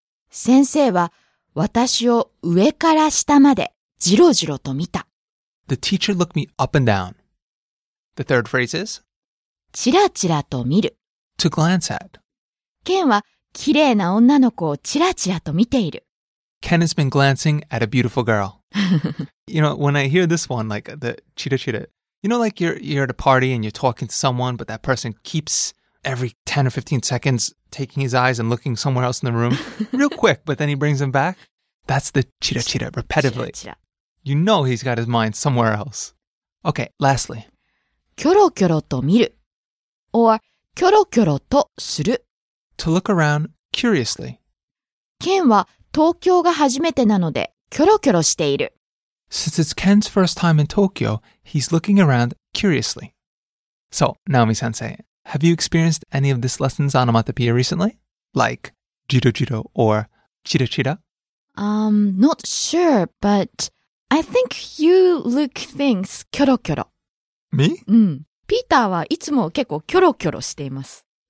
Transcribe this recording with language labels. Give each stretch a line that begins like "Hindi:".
Japanese: 先生は、私を上から下までじろじろと見た。
English: The teacher looked me up and down. The third phrase is?
Japanese: チラチラと見る。
English: To glance at.
Japanese: Ken は綺麗な女の子をチラチラと見ている。
English: Ken has been glancing at a beautiful girl. You know, when I hear this one, like the chira chira, you know, like you're at a party and you're talking to someone, but that person keeps every 10 or 15 seconds taking his eyes and looking somewhere else in the room real quick, but then he brings them back. That's the chira-chira, repetitively. Chira-chira. You know he's got his mind somewhere else. Okay, lastly.
Japanese: キョロキョロと見る or キョロキョロとする
English: To look around curiously.
Japanese: Ken は東京が初めてなのでキョロキョロしている。
English: Since it's Ken's first time in Tokyo, he's looking around curiously. So, Naomi-sensei, have you experienced any of this lesson's onomatopoeia recently? Like, jiro jiro or chira chira? Not sure, but I think you look things キョロキョロ。 Me?
Japanese: うん。ピーターはいつも結構キョロキョロしています。